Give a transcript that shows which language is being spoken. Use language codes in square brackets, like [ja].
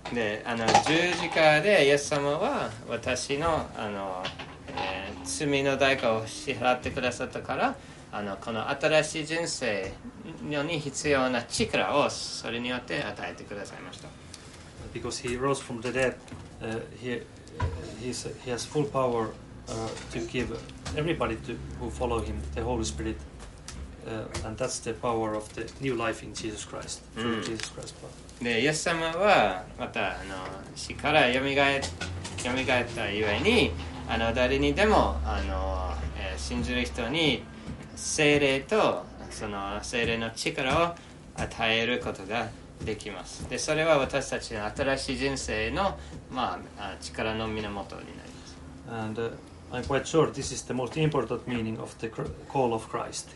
[ja] であの十字架でイエス様は私の、 あの、罪の代価を支払ってくださったからあのこの新しい人生に必要な力をそれによって与えてくださいました。 [en] Because he rose from the dead, he has full power to give everybody to, who follow him the Holy Spirit, and that's the power of the new life in Jesus Christ, through Jesus Christ's blood. [ja] で、イエス様はまたあの死から蘇ったゆえにあの誰にでもあの、信じる人に聖霊とその聖霊の力を与えることができます。でそれは私たちの新しい人生の、まあ、力の源になります。 [en] And、I'm quite sure this is the most important meaning of the call of Christ.